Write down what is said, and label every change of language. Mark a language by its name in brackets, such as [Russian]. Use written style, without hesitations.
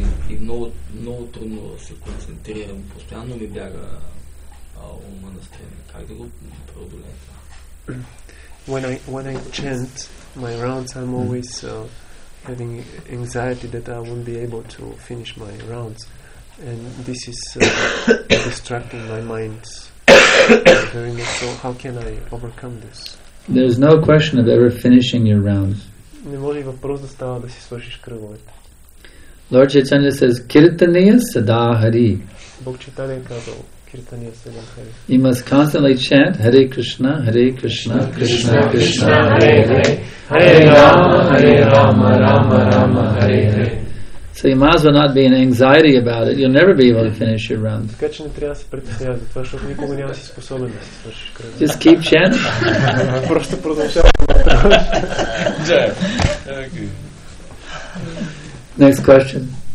[Bulgarian] И много трудно да се концентрирам. Постоянно ми бяга ума настрани. Как да го преодолея това? [English] When I chant my rounds, I'm always having anxiety that I won't be able to finish my rounds. and this is distracting my mind very much. So how can I overcome this? There's no question of ever finishing your rounds. [Bulgarian] Не може въпрос да става да си свършиш кръговете. [English] Lord Chaitanya says, Kirtaniya Sadahari. [Bulgarian] Бог Чайтанья казва, Kirtaniya [Sanskrit] Sadahari. [English] You must constantly chant, Hare Krishna, Hare Krishna, Krishna Krishna, Hare Hare, Hare Rama, Hare Rama, Rama Rama, Hare Hare. So you must not be in anxiety about it. You'll never be able to finish your rounds. [Bulgarian] Така че не трябва да се притеснявате за това, защото никога няма си способен да си свършиш кръговете. [English] Just keep chanting. [Bulgarian] Просто продължавам. [English] Next question.